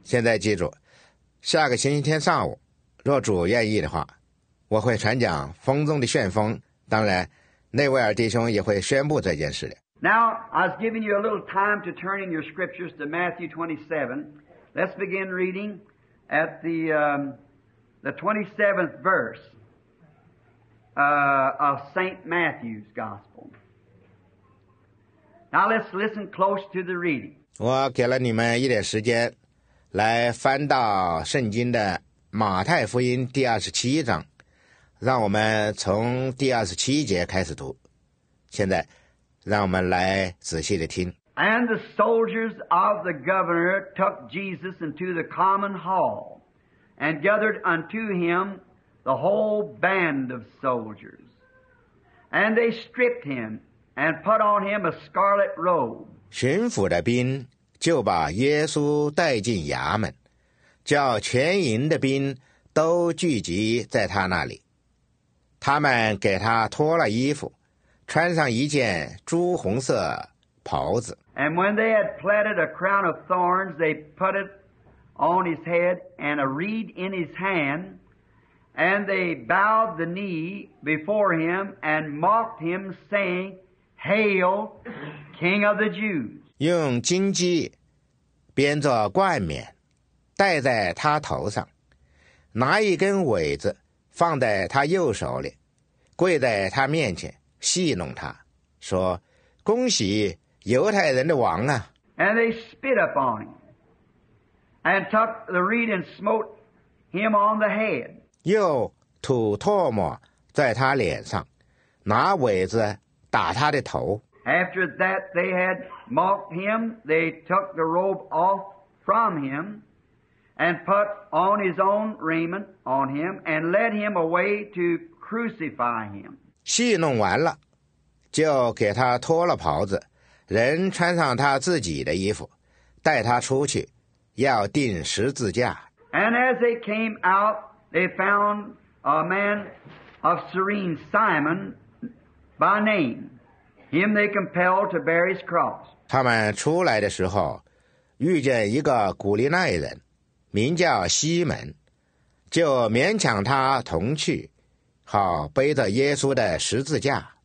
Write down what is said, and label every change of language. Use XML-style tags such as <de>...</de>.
<zh>现在记住，下个星期天上午若主愿意的话，我会传讲风中的旋风，当然内维尔弟兄也会宣布这件事的。</zh> <en>Now I was giving you a little time to turn in your scriptures to Matthew 27. Let's begin reading at the 27th verse of St. Matthew's Gospel. Now let's listen close to the reading.</en> <zh>我给了你们一点时间来翻到圣经的马太福音第27章，让我们从第27节开始读。现在让我们来仔细的听。</zh> <en>And the soldiers of the governor took Jesus into the common hall and gathered unto him the whole band of soldiers. And they stripped him and put on him a scarlet robe.</en> <zh>巡抚的兵就把耶稣带进衙门，叫全营的兵都聚集在他那里，他们给他脱了衣服，穿上一件朱红色袍子。</zh> <en>And when they had plaited a crown of thorns, they put it on his head and a reed in his hand, and they bowed the knee before him and mocked him, saying, "Hail, King of the Jews!"</en> <zh>用荆棘编作冠冕，戴在他头上，拿一根苇子放在他右手里，跪在他面前戏弄他，说：“恭喜犹太人的王啊！”</zh> <en>And they spit upon him and took the reed and smote him on the head.</en> <zh>又吐唾沫在他脸上，拿苇子打他的头。</zh> <en>After that they had mocked him, they took the robe off from him. And put on his own raiment on him, and led him away to crucify him.</en> <zh>戏弄完了，就给他脱了袍子，人穿上他自己的衣服，带他出去，要钉十字架。</zh> <en>And as they came out, they found a man of Cyrene, Simon by name. Him they compelled to bear his cross.</en> <zh>他们出来的时候，遇见一个古利奈人，名叫西门，就勉强他同去，好背着耶稣的十字架。</zh>